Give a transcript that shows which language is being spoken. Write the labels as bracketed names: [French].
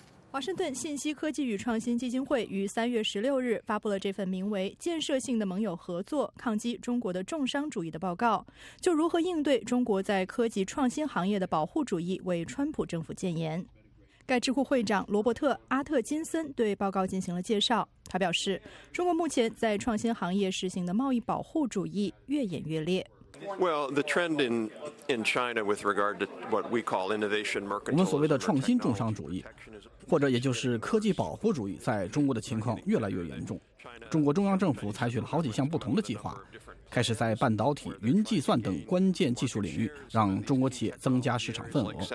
[Chinese] 华盛顿信息科技与创新基金会于3月16日发布了这份名为《建设性的盟友合作，抗击中国的重商主义》的报告，就如何应对中国在科技创新行业的保护主义为川普政府建言。该智库会长罗伯特·阿特金森对报告进行了介绍，他表示，中国目前在创新行业实行的贸易保护主义越演越烈。 [English] Well, the trend in China with regard to what we call innovation mercantilism, [Chinese] 我们所谓的创新重商主义，或者也就是科技保护主义，在中国的情况越来越严重。中国中央政府采取了好几项不同的计划，开始在半导体、云计算等关键技术领域让中国企业增加市场份额。